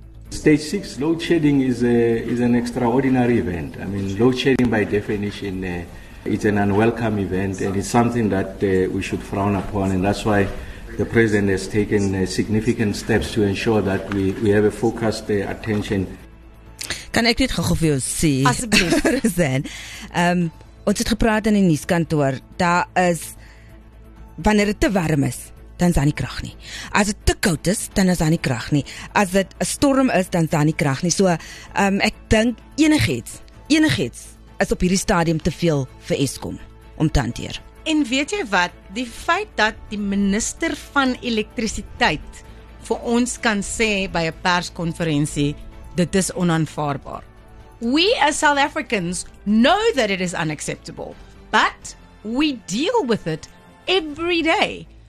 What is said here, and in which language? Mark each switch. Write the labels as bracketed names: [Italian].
[English] Stage 6 load shedding is an extraordinary event. I mean, load shedding by definition it's an unwelcome event, and it's something that we should frown upon, and that's why the president has taken significant steps to ensure that we have a focused attention. [Afrikaans] Kan ek dit gou vir jou sê? Asseblief. Ons het gepraat in die nuuskantoor, daar is wanneer dit te warm is, dan is daar nie krag nie. As dit te koud is, dan is daar nie krag nie. As dit 'n storm is, dan is daar nie krag nie. So, ek dink enigiets is op hierdie stadium te veel vir Eskom om te hanteer. En weet jy wat? Die feit dat die minister van elektrisiteit vir ons kan sê by 'n perskonferensie, dit is onaanvaarbaar. [English] We as South Africans know that it is unacceptable, but we deal with it every day.